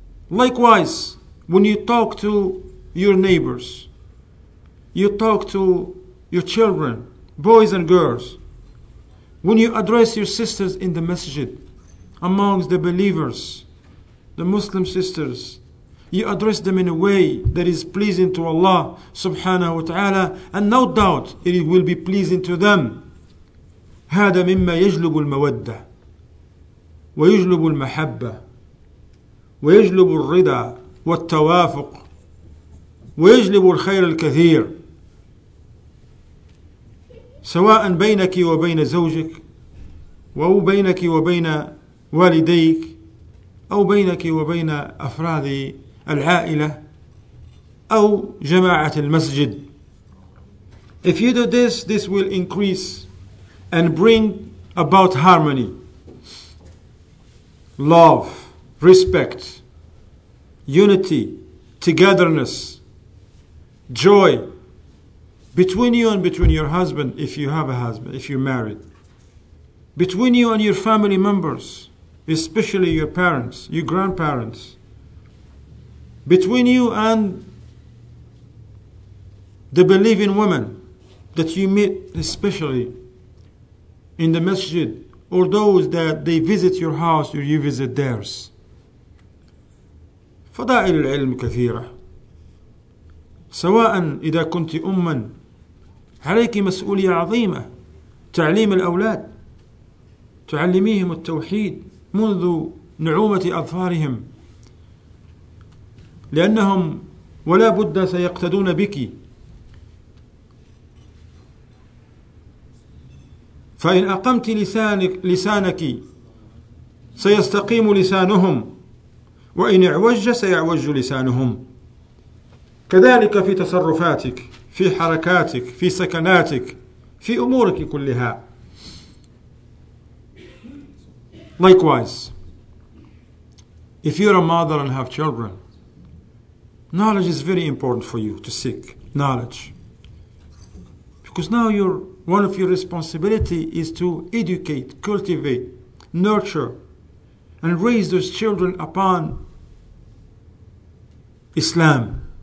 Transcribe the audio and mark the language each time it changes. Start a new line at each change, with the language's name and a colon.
English: Likewise, When you talk to your neighbors, you talk to your children, boys and girls, when you address your sisters in the masjid, amongst the believers, the Muslim sisters, you address them in a way that is pleasing to Allah subhanahu wa ta'ala, and no doubt it will be pleasing to them.
Arabic: هذا مما يجلب المودة ويجلب المحبة ويجلب الرضا والتوافق ويجلب الخير الكثير سواء بينك وبين زوجك أو بينك وبين والديك أو بينك وبين أفراد العائلة أو جماعة المسجد.
English: If you do this, this will increase and bring about harmony, love, respect, unity, togetherness, joy between you and between your husband, if you have a husband, if you're married, between you and your family members, especially your parents, your grandparents, between you and the believing woman that you meet, especially in the masjid, or those that they visit your house or you visit theirs.
Arabic: فضائل العلم كثيرة. سواء إذا كنت أما عليك مسؤولية عظيمة تعليم الأولاد تعلميهم التوحيد منذ نعومة أظفارهم لأنهم ولا بد سيقتدون بك. فإن أقمت لسانك سيستقيم لسانهم وإن اعوج سيعوج لسانهم. كذلك في تصرفاتك، في حركاتك، في سكناتك، في أمورك كلها.
English: Likewise, if you're a mother and have children, knowledge is very important for you to seek knowledge. Because now one of your responsibility is to educate, cultivate, nurture, and raise those children upon Islam.